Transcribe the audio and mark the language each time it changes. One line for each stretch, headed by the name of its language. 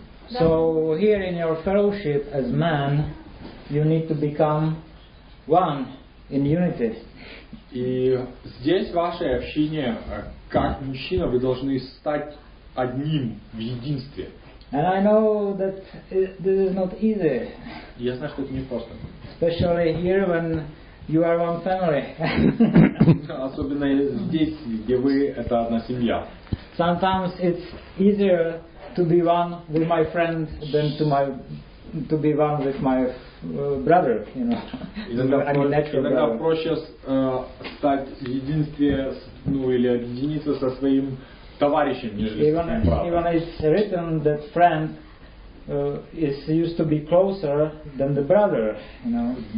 English: So here in your fellowship as man, you need to become one in unity.
Russian: И здесь в вашей общине, как мужчина, вы должны стать одним в единстве.
English: And I know that this is not easy.
Russian: Я знаю, что это не просто.
English: Especially here when you are one family.
Russian: Особенно здесь, где вы это одна семья.
English: Sometimes it's easier to be one with my friend than to be one with my brother, you know.
Russian: Иногда проще стать единстве, ну или объединиться со своим товарищем, нежели со своим братом.
English: Even it's written that friend is used to be closer than the brother, you know.